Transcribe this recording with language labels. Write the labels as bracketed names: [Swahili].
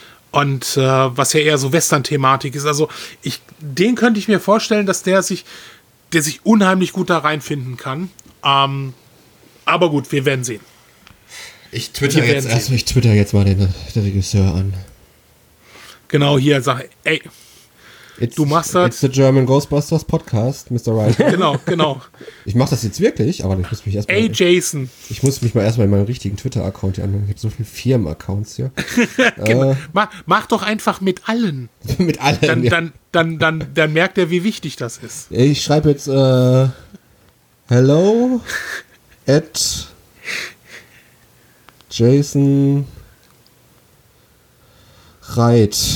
[German] Und was ja eher so Western-Thematik ist. Also den könnte ich mir vorstellen, dass der sich unheimlich gut da reinfinden kann. Aber gut, wir werden sehen. Ich twitter jetzt mal den Regisseur an. Genau, hier, sag, ey, du machst das. [English] It's the German Ghostbusters Podcast, Mr. Wright. [German] Genau. Ich mach das jetzt wirklich, aber ich muss mich erstmal. Ey, Jason. Ich muss mich mal erstmal in meinen richtigen Twitter-Account hier anmelden. Ich habe so viele Firmen-Accounts hier. mach doch einfach mit allen. Mit allen. Dann merkt er, wie wichtig das ist. Ich schreibe jetzt hello at Jason Reit.